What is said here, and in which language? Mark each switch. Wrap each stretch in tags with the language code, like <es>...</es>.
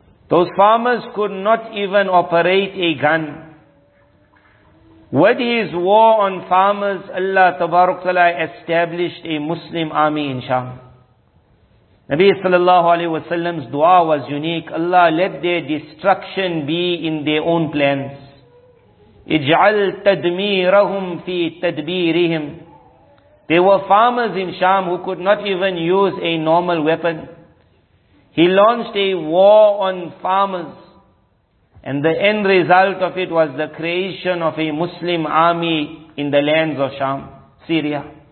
<en>Those farmers could not even operate a gun. With his war on farmers, Allah Tabarakallah established a Muslim army in Sham. Nabi sallallahu alayhi wa sallam's dua was unique. Allah, let their destruction be in their own plans.</en> <ar>اجعل تدميرهم في تدبيرهم.</ar> <en>There were farmers in Sham who could not even use a normal weapon. He launched a war on farmers. And the end result of it was the creation of a Muslim army in the lands of Sham, Syria.</en>